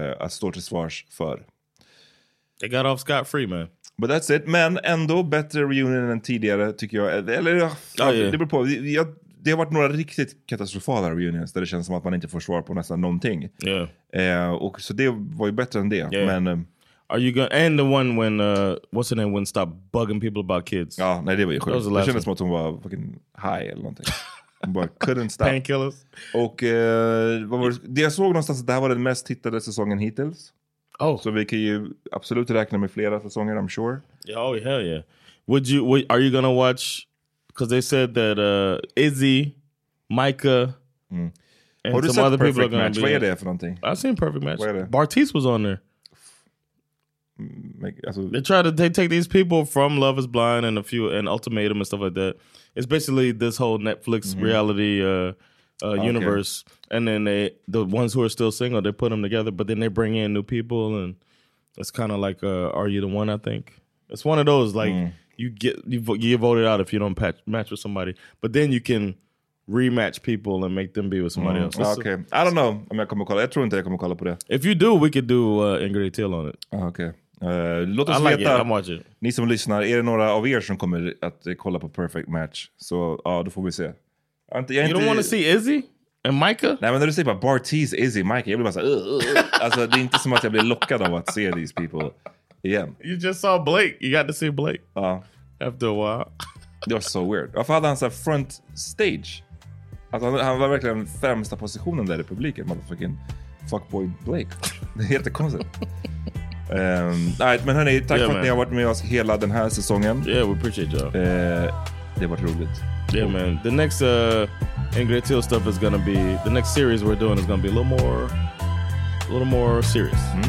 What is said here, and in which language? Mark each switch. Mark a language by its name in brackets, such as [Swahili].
[Swedish] Att stå till svars för. [English] They got off scot-free, man. But that's it. [Swedish] Men ändå bättre reunion än tidigare, tycker jag. Eller, det beror på. Det har varit några riktigt katastrofala reunions där det känns som att man inte får svar på nästan någonting. [English] Yeah. [Swedish] Och så det var ju bättre än det. [English] Yeah. [Swedish] Men, [English] are you gonna, and the one when, what's the name, when stop bugging people about kids? [Swedish] Ja, nej, det var ju sjukt. Det kändes som att hon var [English] fucking high [Swedish] eller någonting. Hon bara [English] couldn't stop. Painkillers. [Swedish] Och det jag såg någonstans att det här var den mest tittade säsongen hittills. [English] Oh. [Swedish] Så vi kan ju absolut räkna med flera säsonger, [English] I'm sure. Yeah, oh, hell yeah. Are you gonna watch, because they said that Izzy, Micah, and some other people are gonna be. [Swedish] Har du sett Perfect Match? Vad är det för någonting? [English] I've seen Perfect Match. Bartice was on there. They take these people from Love is Blind and a few, and Ultimatum and stuff like that. It's basically this whole Netflix reality universe. Okay. And then the ones who are still single, they put them together, but then they bring in new people, and it's kind of like Are You the One, I think. It's one of those, like, you get voted out if you don't match with somebody. But then you can rematch people and make them be with somebody else. That's okay. I don't know. I'm going to come and call it. [Swedish] I tror inte jag kommer kolla på det. [English] If you do, we could do Ingrid Till on it. [Swedish] Okay. Låt oss veta, [English] I'm watching. [Swedish] Ni som lyssnar, är det några av er som kommer att kolla på Perfect Match? Så då får vi se. [English] You don't want to see Izzy and Micah? [Swedish] Nej, men när du säger bara Bartiz, Izzy, Micah, jag blir bara så alltså, det är inte som att jag blir lockad av att se [English] these people [Swedish] igen. [English] You just saw Blake. You got to see Blake. After a while. [Swedish] Det var så weird. Varför hade han så [English] front stage? [Swedish] Alltså, han var verkligen främsta positionen där i publiken. [English] Motherfucking fuckboy [Swedish] Blake. Det är jättekonstigt. Alright, men hörni, tack för att ni har varit med oss hela den här säsongen. [English] Yeah, we appreciate you. [Swedish] Det har varit roligt. [English] Yeah, man. The next Ingrid Till stuff is gonna be, the next series we're doing is gonna be a little more serious.